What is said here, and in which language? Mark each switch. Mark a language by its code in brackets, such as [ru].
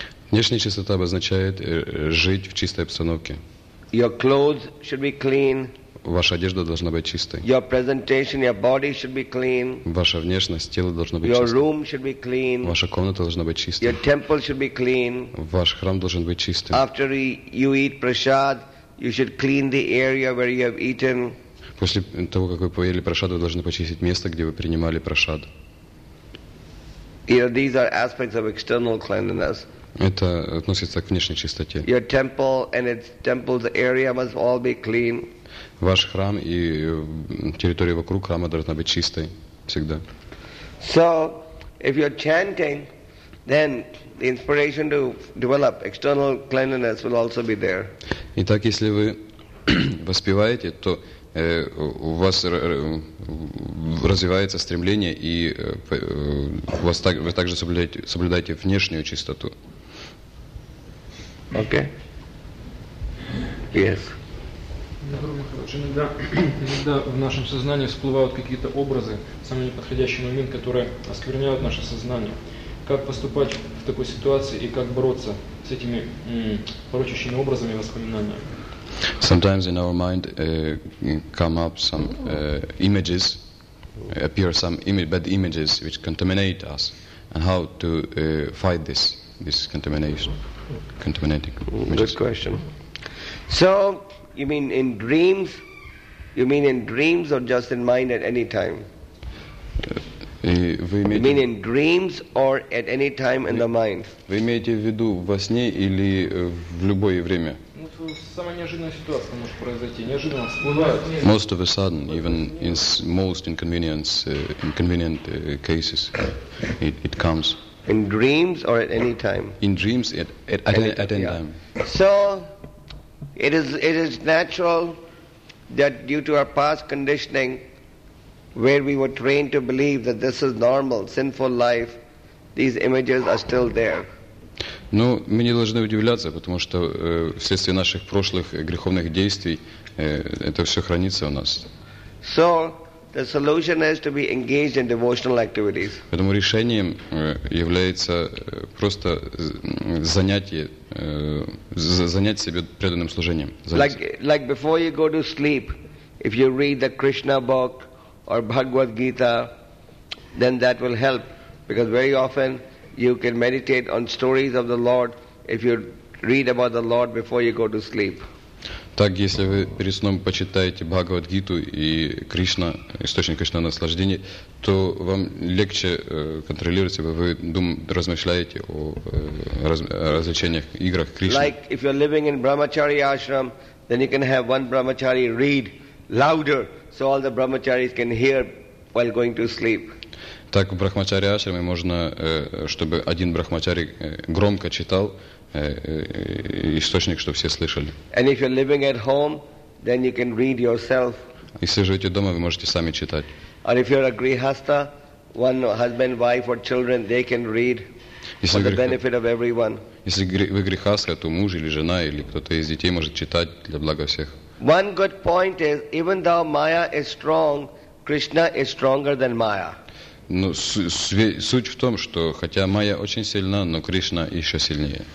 [ru] Внешняя чистота обозначает жить в чистой обстановке. [en] Your clothes should be clean. [ru] Ваша одежда должна быть чистой. [en] Your presentation, your body should be clean. [ru] Ваша внешность, тело должно быть [en] your [ru] чистой. [en] Room should be clean. [ru] Ваша комната должна быть чистой. [en] Your temple should be clean. [ru] Ваш храм должен быть чистым. [en] After you eat prasad, you should clean the area where you have eaten. [ru] После того, как вы поели прасад, вы должны почистить место, где вы принимали прасад. [en] You know, these are aspects of external cleanliness. [ru] Это относится к внешней чистоте. [en] Your temple and its temple's area must all be clean. [ru] Ваш храм и территория вокруг храма должна быть чистой всегда. [en] So, if you're chanting, then the inspiration to develop external cleanliness will also be there. [ru] Итак, если вы воспеваете, то у вас развивается стремление, и у вас так, вы также соблюдаете внешнюю чистоту. [en] Okay. Yes. [ru] Иногда, иногда в нашем сознании всплывают какие-то образы, самый неподходящий момент, которые оскверняют наше сознание. Как поступать в такой ситуации и как бороться с этими порочащими образами воспоминания? [en] Sometimes in our mind come up some images, appear some bad images which contaminate us, and how to fight this contamination, contaminating images. Good question. So, you mean in dreams? You mean in dreams or just in mind at any time? You mean in dreams or at any time in the mind? [ru] Вы имеете в виду во сне или в любое время? [en] Most of a sudden, even in most inconvenient cases, it comes. In dreams or at any time? In dreams, at any time. So, it is natural that due to our past conditioning, where we were trained to believe that this is normal, sinful life, these images are still there. [ru] Ну, мы не должны удивляться, потому что вследствие наших прошлых греховных действий это все хранится у нас. [en] So, the solution is to be engaged in devotional activities. [ru] Поэтому решением является просто занятие, занять себя преданным служением. [en] Like before you go to sleep, if you read the Krishna book or Bhagavad Gita, then that will help, because very often you can meditate on stories of the Lord if you read about the Lord before you go to sleep. [ru] Так, если вы перед сном почитаете Бхагавад-гиту и Кришна, источник Кришна наслаждения, то вам легче контролировать себя, вы размышляете о развлечениях, играх Кришны. [en] Like if you're living in Brahmachari ashram, then you can have one Brahmachari read louder so all the Brahmacharis can hear while going to sleep. [ru] Так в брахмачари ашраме можно, чтобы один брахмачари громко читал источник, чтобы все слышали. [en] And if you're living at home, then you can read yourself. [ru] Если живете дома, вы можете сами читать. [en] And if you're a grihastha, one husband, wife or children, they can read for the benefit of everyone. [ru] Если вы грихастха, то муж или жена или кто-то из детей может читать для блага всех. [en] One good point is, even though Maya is strong, Krishna is stronger than Maya. [ru] Но суть в том, что хотя Майя очень сильна, но Кришна еще сильнее.